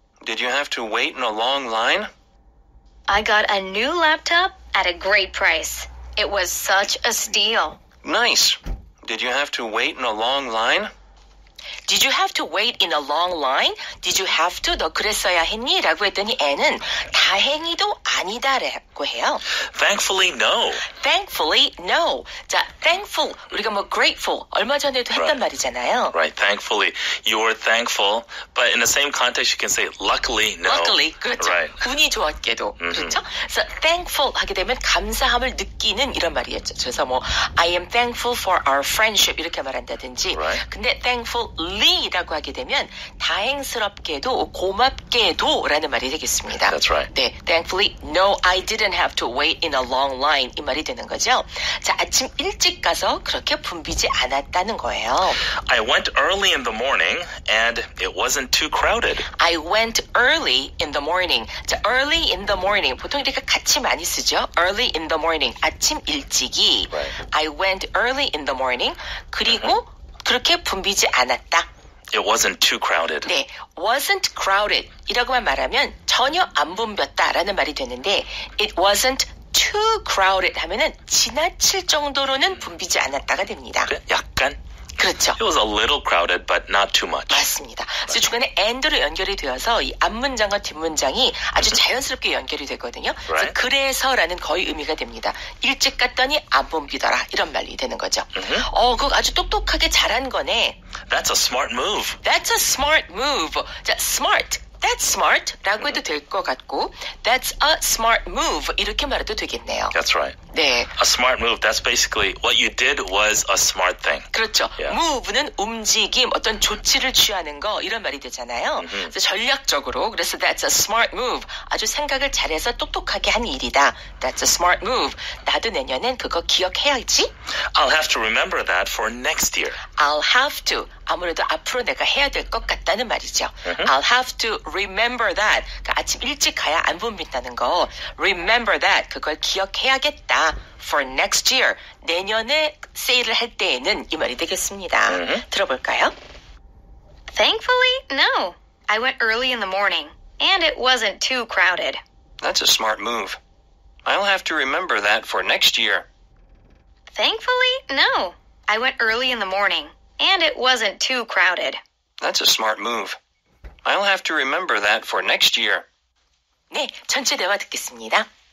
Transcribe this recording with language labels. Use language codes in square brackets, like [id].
[en] Did you have to wait in a long line? I got a new laptop at a great price. It was such a steal. Nice. Did you have to wait in a long line? Did you have to wait in a long line? Did you have to? [ko] 너 그랬어야 했니? 라고 했더니 N은 다행히도 아니다 라고 해요. [en] Thankfully, no. Thankfully, no. [ko] 자, thankful. 우리가 뭐 grateful. 얼마 전에도 했단 right. 말이잖아요. [en] Right, thankfully. You were thankful. But in the same context, you can say luckily, no. [ko] Luckily, 그렇죠. [en] Right. [ko] 운이 좋았게도. Mm-hmm. 그렇죠? So, thankful 하게 되면 감사함을 느끼는 이런 말이었죠. 그래서 뭐 [en] I am thankful for our friendship [ko] 이렇게 말한다든지. [en] Right. [ko] 근데 thankful Lee라고 하게 되면 다행스럽게도 고맙게도라는 말이 되겠습니다. [en] That's right. 네, thankfully, no, I didn't have to wait in a long line. [ko] 이 말이 되는 거죠. 자, 아침 일찍 가서 그렇게 붐비지 않았다는 거예요. [en] I went early in the morning and it wasn't too crowded. I went early in the morning. 자, early in the morning. [ko] 보통 이렇게 같이 많이 쓰죠. [en] Early in the morning. [ko] 아침 일찍이. [en] Right. I went early in the morning. [ko] 그리고 [en] uh-huh. [ko] 그렇게 붐비지 않았다. [en] It wasn't too crowded. [ko] 네, [en] wasn't crowded. [ko] 이라고만 말하면 전혀 안 붐볐다라는 말이 되는데 [en] It wasn't too crowded [ko] 하면은 지나칠 정도로는 붐비지 않았다가 됩니다. 그래, 약간? 그렇죠. [en] It was a little crowded, but not too much. [ko] 맞습니다. 그래서 중간에 and로 연결이 되어서 이 앞문장과 뒷문장이 아주 자연스럽게 연결이 되거든요. [en] Right? [ko] 그래서라는 거의 의미가 됩니다. 일찍 갔더니 안 붐비더라 이런 말이 되는 거죠. Mm-hmm. 어, 그 아주 똑똑하게 잘한 거네. [en] That's a smart move. That's a smart move. 자, smart. That's smart [ko] 라고 해도 될 것 같고 [en] That's a smart move [ko] 이렇게 말해도 되겠네요. [en] That's right. [ko] 네. [en] A smart move. That's basically what you did was a smart thing. [ko] 그렇죠. [en] Yeah. [ko] Move는 움직임, 어떤 조치를 취하는 거 이런 말이 되잖아요. Mm-hmm. 그래서 전략적으로 그래서 [en] That's a smart move. [ko] 아주 생각을 잘해서 똑똑하게 한 일이다. [en] That's a smart move. [ko] 나도 내년엔 그거 기억해야지. [en] I'll have to remember that for next year. I'll have to. [ko] 아무래도 앞으로 내가 해야 될 것 같다는 말이죠. [en] Uh-huh. I'll have to remember that. [ko] 그러니까 아침 일찍 가야 안 붐빈다는 거. [en] Remember that. [ko] 그걸 기억해야겠다. [en] For next year. [ko] 내년에 세일을 할 때에는 이 말이 되겠습니다. Uh-huh. 들어볼까요? [en] Thankfully, no. I went early in the morning, and it wasn't too crowded. That's a smart move. I'll have to remember that for next year. Thankfully, no. I went early in the morning, and it wasn't too crowded. That's a smart move. I'll have to remember that for next year. [ko] 네, 전체 대화 듣겠습니다.